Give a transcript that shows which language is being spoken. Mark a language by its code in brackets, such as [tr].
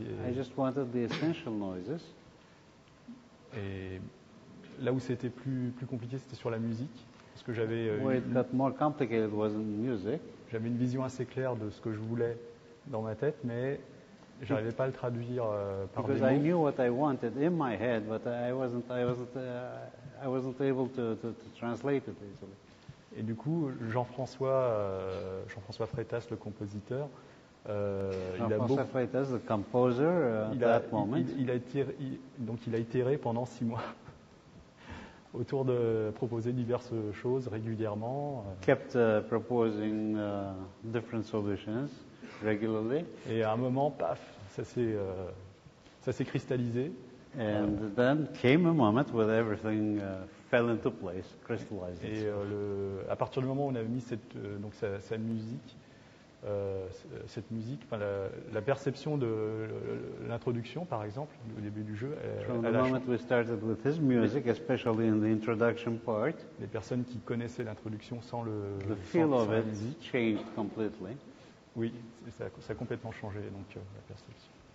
[en] I just wanted the essential noises. [fr] Et là où c'était plus compliqué, c'était sur la musique, parce que j'avais j'avais une vision assez claire de ce que je voulais dans ma tête, mais je n'arrivais pas à le traduire par des mots. [en] Because I knew what I wanted in my head, but I wasn't able to translate it easily. [fr] Et du coup, Jean-François Freitas, le compositeur, il a itéré pendant 6 mois autour de proposer diverses choses régulièrement. [en] Kept proposing different solutions. Regularly. [fr] Et à un moment, paf, ça s'est cristallisé. [en] And then came a moment where everything fell into place, crystallized. [fr] Et à partir du moment où on a mis cette musique, la perception de l'introduction, par exemple, au début du jeu, [en] we started with his music, especially in the introduction part. [fr] Les personnes qui connaissaient l'introduction sans le. [en] The feel of it changed completely. [fr] Oui, ça a complètement changé donc la perception.